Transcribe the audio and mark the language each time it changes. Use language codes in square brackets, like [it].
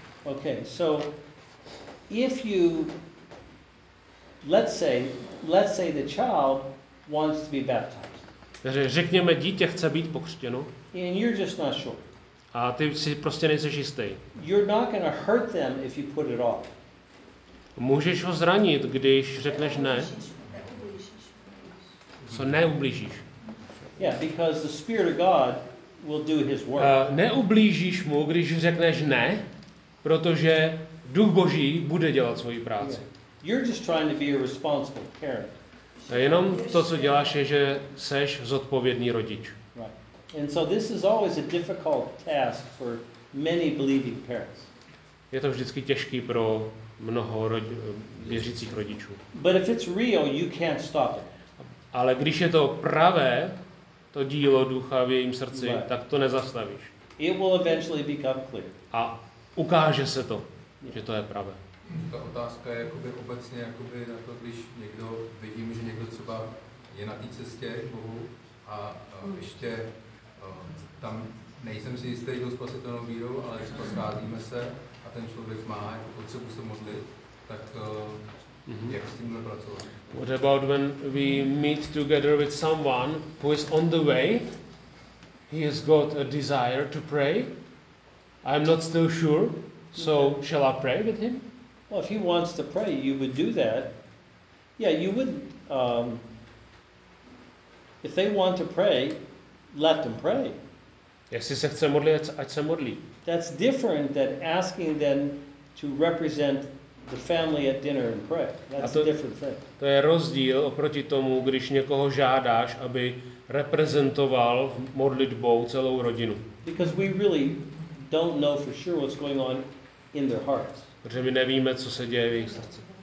[en] Okay, so if you let's say the child wants to be baptized. [cs] Takže řekněme, dítě chce být pokřtěno. [en] And you're just not sure. [cs] A ty si prostě nejseš jistý. [en] You're not going to hurt them if you put it off. [cs] Můžeš ho zranit, když řekneš ne. Co neublížíš? [en] Yeah, because the Spirit of God will do His work. [cs] Neublížíš mu, když řekneš ne, protože Duch Boží bude dělat svoji práci. [en] Yeah. You're just trying to be a responsible parent. [cs] A jenom to, co děláš, je, že seš zodpovědný rodič. [en] Right. And so this is always a difficult task for many believing parents. [cs] Je to vždycky těžký pro mnoho věřících rodičů. [en] But if it's real, you can't stop it. [cs] Ale když je to pravé, to dílo ducha v jejím srdci, [en] right, [cs] tak to nezastavíš. [en] It will eventually become clear. [cs] A ukáže se to, [en] yeah, [cs] že to je pravé. Ta otázka je jakoby obecně, jakoby na to, když někdo, vidím, že někdo třeba je na té cestě k Bohu a ještě tam nejsem si jistý, že ho spasitelnou vírou, ale třeba scházíme se a ten člověk má jako potřebu se modlit, tak mm-hmm. [en] What about when we meet together with someone who is on the way? He has got a desire to pray. I'm not still sure, so shall I pray with him? Well, if he wants to pray, you would do that. Yeah, you would. If they want to pray, let them pray. [cs] Jestli se chce modlit, ať se modlí. [en] That's different than asking them to represent the family at dinner and pray. That's a different thing. [cs] To je rozdíl oproti tomu, když někoho žádáš, aby reprezentoval modlitbou celou rodinu. [en] Because we really don't know for sure what's going on in their hearts. [cs] Protože my nevíme, co se děje v jejich srdci.